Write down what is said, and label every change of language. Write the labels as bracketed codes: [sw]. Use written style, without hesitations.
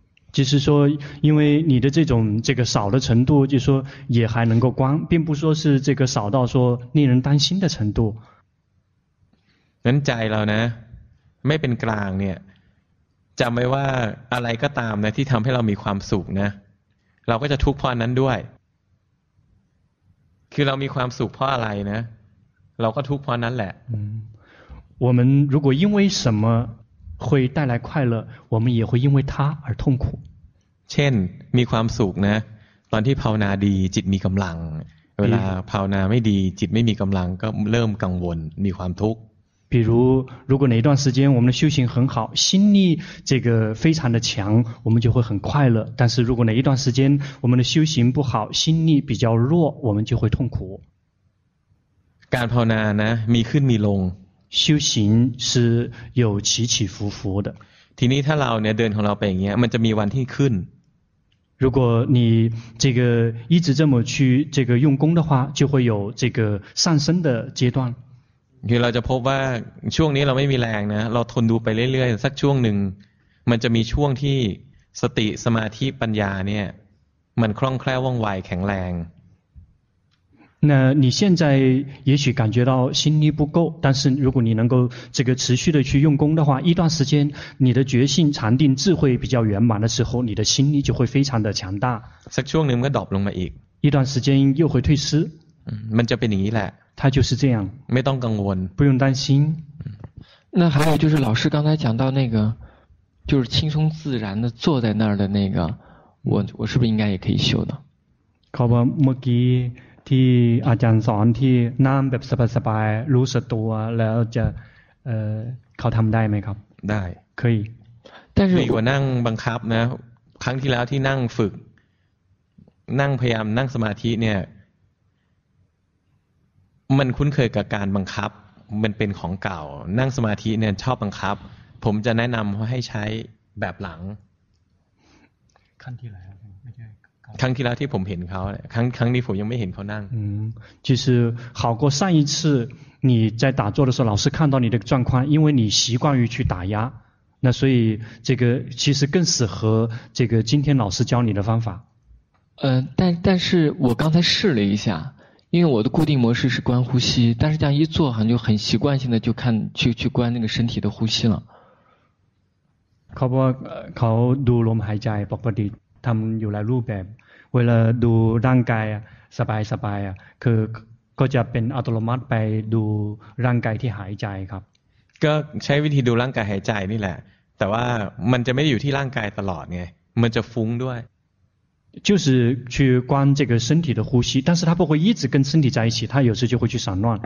[zh] 就是说，因为你的这个少的程度，就是说也还能够观，并不说是这个少到说令人担心的程度。 [th] นั้นใจเรานะไม่เป็นกลางเนี่ยจำไว้ว่าอะไรก็ตามนะที่ทำให้เรามีความสุขนะเราก็จะทุกข์เพราะนั้นด้วยคือเรามีความสุขเพราะอะไรนะเราก็ทุกข์เพราะนั้นแหละ [zh] 我们如果因为什么会带来快乐我们也会因为它而痛苦 [th] เช่นมีความสุขนะตอนที่ภาวนาดีจิตมีกำลังเวลาภาวนาไม่ดีจิตไม่มีกำลังก็เริ่มกังวลมีความทุกข์ [zh] 比如如果哪一段时间我们的修行很好心力这个非常的强我们就会很快乐但是如果哪一段时间我们的修行不好心力比较弱我们就会痛苦 [th] การภาวนานะมีขึ้นมีลง [zh] 修行是有起起伏伏的 [th] ทีนี้ถ้าเราเนี่ยเดินของเราไปอย่างเงี้ยมันจะมีวันที่ขึ้น [zh] 如果你这个一直这么去这个用功的话就会有这个上升的阶段 [th] คือเราจะพบว่าช่วงนี้เราไม่มีแรงนะเราทนดูไปเรื่อยๆสักช่วงหนึ่งมันจะมีช่วงที่สติสมาธิปัญญาเนี่ยมันคล่องแคล่วว่องไวแข็งแรง [zh] 那你现在也许感觉到心力不够但是如果你能够这个持续的去用功的话一段时间你的觉性禅定智慧比较圆满的时候你的心力就会非常的强大 [th] สักช่วงหนึ่งก็ดรอปลงมาอีก [zh] 一段时间又会退失 [th] มันจะเป็นอย่างนี้แหละ [zh] 他就是这样，没当更稳，不用担心。那还有就是老师刚才讲到那个，就是轻松自然的坐在那儿的那个，我是不是应该也可以修的？ [th] ครับเมื่อกี้ที่อาจารย์สอนที่นั่งแบบสบายๆรู้สึกตัวแล้วจะเขาทำได้ไหมครับ？ ได้， [zh] 可以。但是如果 [th] นั่งบังคับนะครั้งที่แล้วที่นั่งฝึกนั่งพยายามนั่งสมาธิเนี่ยมันคุ้นเคยกับการบังคับมันเป็นของเก่านั่งสมาธิเนี่ยชอบบังคับผมจะแนะนำให้ใช้แบบหลัง ครั้งที่แล้วไม่ใช่ ครั้งที่แล้วที่ผมเห็นเขาครั้งนี้ผมยังไม่เห็นเขานั่ง [zh] อืม其实好过上一次你在打坐的时候老师看到你的状况因为你习惯于去打压那所以这个其实更适合这个今天老师教你的方法但是我刚才试了一下因为我的固定模式是观呼吸但是这样一坐好像就很习惯性的去观那个身体的呼吸了 [th] เขาบอกเขาดูลมหายใจปกติทำอยู่หลายรูปแบบเวลาดูร่างกายสบายสบายคือก็จะเป็นอัตโนมัติไปดูร่างกายที่หายใจครับ ก็ใช้วิธีดูร่างกายหายใจนี่แหละแต่ว่ามันจะไม่อยู่ที่ร่างกายตลอดไงมันจะฟุ้งด้วย [zh] 就是去观这个身体的呼吸但是他不会一直跟身体在一起他有时就会去散乱